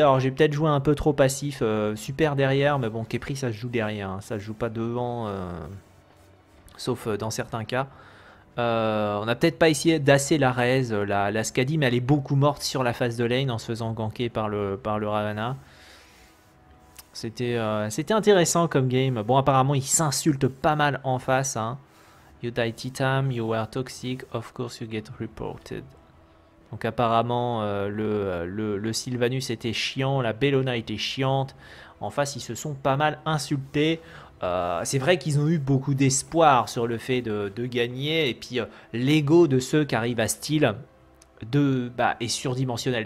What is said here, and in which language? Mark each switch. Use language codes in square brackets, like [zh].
[fr] Alors j'ai peut-être joué un peu trop passif, super derrière, mais bon, képri ça se joue derrière, hein. Ça se joue pas devant, sauf dans certains cas. On n'a peut-être pas essayé d'asser la res, la Skadi, mais elle est beaucoup morte sur la phase de lane en se faisant ganker par le Ravana. C'était intéressant comme game. Bon, apparemment ils s'insultent pas mal en face. Hein. [en] You die Titan, you were toxic, of course you get reported. [fr] Donc apparemment, le Sylvanus était chiant, la Bellona était chiante. En face, ils se sont pas mal insultés. C'est vrai qu'ils ont eu beaucoup d'espoir sur le fait de gagner. Et puis, l'ego de ceux qui arrivent à style est surdimensionnel.